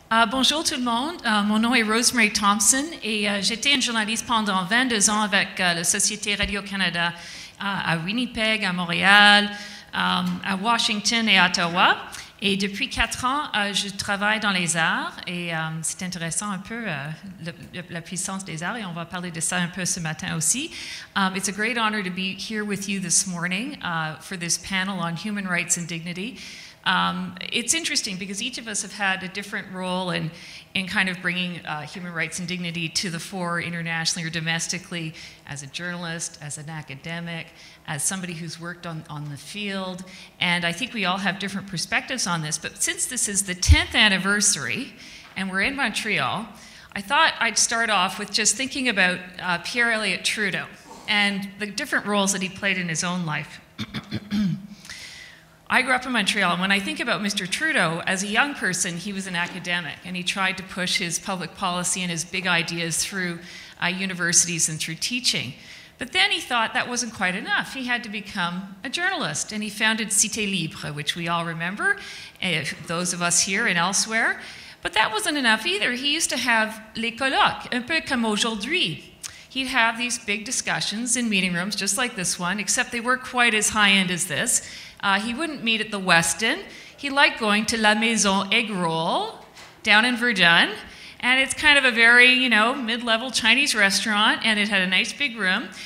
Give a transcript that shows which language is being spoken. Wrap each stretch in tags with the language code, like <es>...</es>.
<fr>Bonjour tout le monde, mon nom est Rosemary Thompson et j'étais une journaliste pendant 22 ans avec la Société Radio-Canada à Winnipeg, à Montréal, à Washington et à Ottawa. Et depuis 4 ans, je travaille dans les arts et c'est intéressant un peu la puissance des arts et on va parler de ça un peu ce matin aussi.</fr> <en>It's a great honor to be here with you this morning for this panel on human rights and dignity. It's interesting because each of us have had a different role in kind of bringing human rights and dignity to the fore internationally or domestically as a journalist, as an academic, as somebody who's worked on the field. And I think we all have different perspectives on this. But since this is the 10th anniversary and we're in Montreal, I thought I'd start off with just thinking about Pierre Elliott Trudeau and the different roles that he played in his own life. I grew up in Montreal, and when I think about Mr. Trudeau, as a young person, he was an academic, and he tried to push his public policy and his big ideas through universities and through teaching. But then he thought that wasn't quite enough. He had to become a journalist, and he founded Cité Libre, which we all remember, those of us here and elsewhere. But that wasn't enough either. He used to have</en> <fr>les colloques, un peu comme aujourd'hui.</fr> <en>He'd have these big discussions in meeting rooms, just like this one, except they weren't quite as high-end as this. He wouldn't meet at the Westin. He liked going to La Maison Egg Roll down in Verdun. And it's kind of a very, you know, mid-level Chinese restaurant, and it had a nice big room.</en>